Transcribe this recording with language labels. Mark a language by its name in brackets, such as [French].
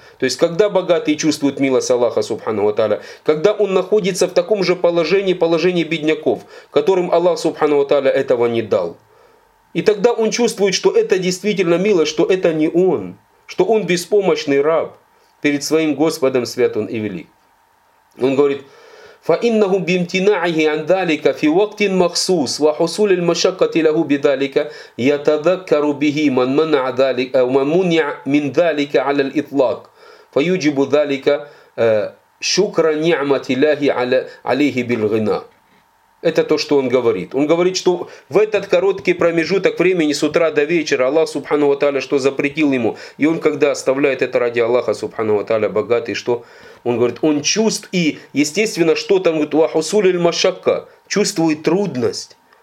[Russian] То есть, когда богатый чувствует милость Аллаха, субхану ва тааля, когда он находится в таком же положении, положении бедняков, которым Аллах, субхану ва тааля, этого не дал. И тогда он чувствует, что это действительно милость, что это не он, что он беспомощный раб перед своим Господом святым и велик. Он говорит, [Arabic] فإنه بامتناعه عن ذلك في وقت مخصوص وحصول المشقة له بذلك يتذكر به من منع ذلك أو من منع من ذلك على الإطلاق فيجب ذلك شكر نعمة الله عليه بالغنى. [Russian] Это то, что он говорит. Он говорит, что в этот короткий промежуток времени с утра до вечера Аллах Субхану ва тааля что запретил ему. И он когда оставляет это ради Аллаха Субхану ва тааля богатый, что он говорит, он чувствует, и естественно, что там, говорит, вахусуль аль-машакка, чувствует трудность.